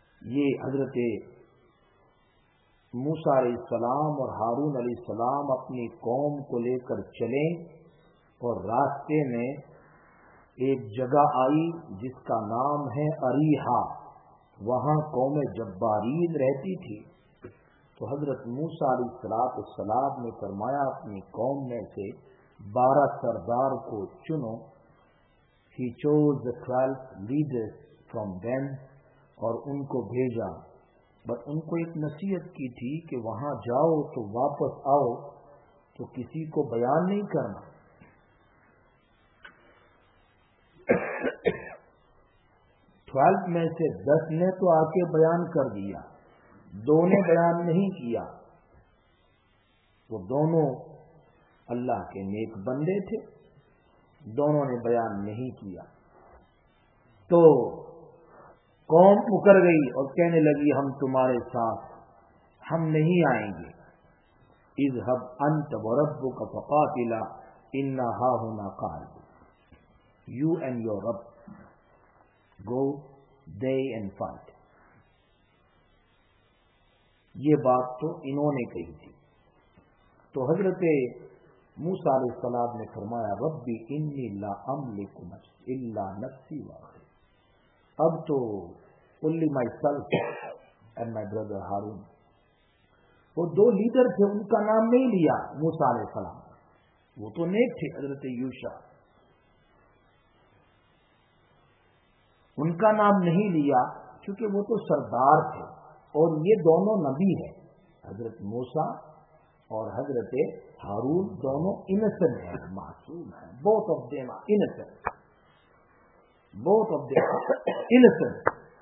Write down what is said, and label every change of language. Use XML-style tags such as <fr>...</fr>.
<ur>یہ حضرت موسیٰ علیہ السلام اور ہارون علیہ السلام اپنی قوم کو لے کر چلیں اور راستے میں ایک جگہ آئی جس کا نام ہے اریحا. وہاں قوم جبارین رہتی تھی. تو حضرت موسیٰ علیہ السلام نے فرمایا اپنی قوم میں سے 12 سردار کو چنو.</ur> <en>He chose the 12 leaders from them</en> <ur>اور ان کو بھیجا. بس ان کو ایک نصیحت کی تھی کہ وہاں جاؤ تو واپس آؤ تو کسی کو بیان نہیں کرنا. ٹویلتھ میں سے 10 نے تو آ کے بیان کر دیا، 2 نے بیان نہیں کیا. وہ دونوں اللہ کے نیک بندے تھے، دونوں نے بیان نہیں کیا. تو قوم مکر گئی اور کہنے لگی ہم تمہارے ساتھ ہم نہیں آئیں گے.</ur> <ar>اذهب انت وربک فقاتلا انا هاہنا قاعد.</ar> <en>You and your Rabb, go they and fight.</en> <ur>یہ بات تو انہوں نے کہی تھی. تو حضرت موسیٰ علیہ السلام نے فرمایا</ur> <ar>ربی انی لا املک نفس الا نفسی واحد.</ar> <ur>اب تو</ur> <en>only myself and my brother Harun.</en> <ur>وہ دو لیڈر تھے, ان کا نام نہیں لیا موسیٰ علیہ السلام, وہ تو نیک تھے حضرت یوشع, ان کا نام نہیں لیا کیونکہ وہ تو سردار تھے, اور یہ دونوں نبی ہیں حضرت موسیٰ اور حضرت ہارون, دونوں انسنٹ ہیں, معصوم ہیں,</ur> <en>both of them innocent,</en> <ur>both of them innocent.</ur>